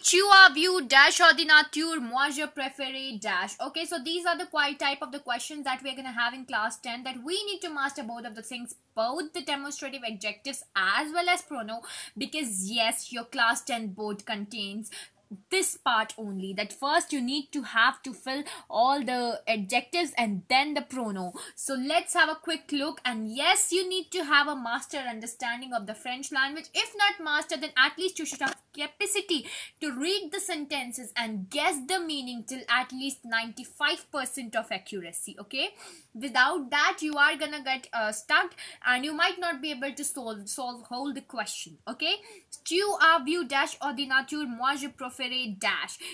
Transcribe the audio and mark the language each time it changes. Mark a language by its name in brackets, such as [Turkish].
[French] Tu as vu dash or de nature, moi je préfère dash. [English] Okay, so these are the quiet type of the questions that we're gonna have in class 10 that we need to master both of the things, both the demonstrative adjectives as well as pronoun, because yes, your class 10 board contains this part only, that first you need to have to fill all the adjectives and then the pronoun. So let's have a quick look, and yes, you need to have a master understanding of the French language. If not master, then at least you should have capacity to read the sentences and guess the meaning till at least 95% of accuracy. Okay, without that you are gonna get stuck and you might not be able to solve whole the question. [French] Okay, tu as vu dash or de nature, moi je préfère dash.